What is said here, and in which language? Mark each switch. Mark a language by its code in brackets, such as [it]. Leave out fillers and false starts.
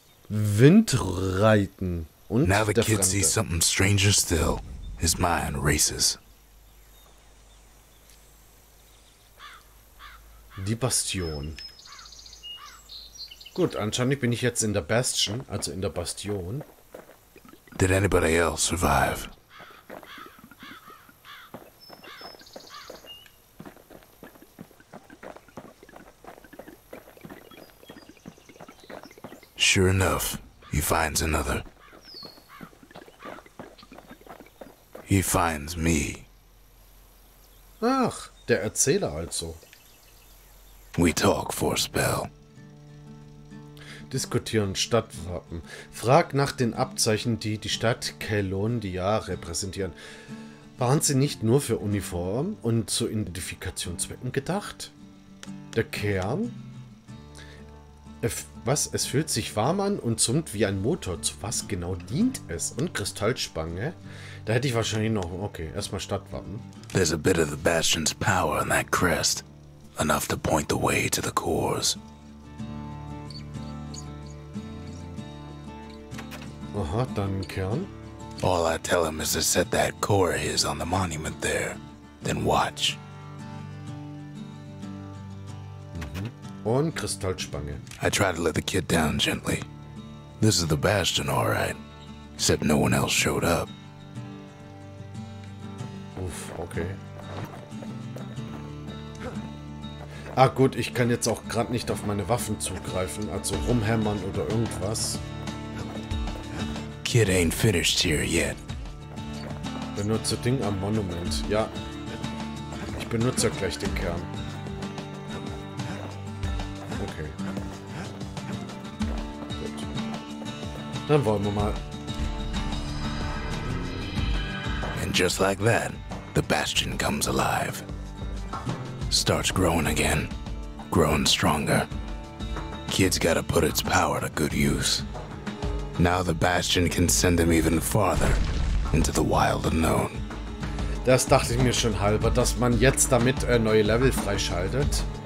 [de] Windreiten. Und [en] now the [de] der [en] kid sees something stranger still. His mind races. [de] Die Bastion. Gut, anscheinend bin ich jetzt in der Bastion, also in der Bastion. [en] Did anybody else survive? Sure enough, he finds another. He finds me. [de] Ach, der Erzähler also. [en] We talk for a spell. [de] Diskutieren Stadtwappen. Frag nach den Abzeichen, die die Stadt Kelondia repräsentieren. Waren sie nicht nur für Uniform und zu Identifikationszwecken gedacht? Der Kern? Es fühlt sich warm an und summt wie ein Motor. Zu was genau dient es? Und Kristallspange? Da hätte ich wahrscheinlich noch... Okay, erstmal Stadtwappen. [en] There's a bit of the Bastion's power in that crest. Enough to point the way to the cores. [de] Aha, dann Kern. [en] All I tell him is to set that core of his on the monument there. Then watch. [de] Und Kristallspange. [en] I try to let the kid down gently. This is the Bastion, all right. Except no one else showed up. [de] Uff, okay. Ah gut, ich kann jetzt auch gerade nicht auf meine Waffen zugreifen, also rumhämmern oder irgendwas. [en] Kid ain't finished here yet. [de] Benutze Ding am Monument. Ja. Ich benutze gleich den Kern. Okay. Gut. Dann wollen wir mal. [en] And just like that, the Bastion comes alive. Starts growing again. Growing stronger. Kid's gotta put its power to good use. Now the Bastion can send him even farther into the wild unknown. [de] Das dachte ich mir schon halber, dass man jetzt damit neue Level freischaltet.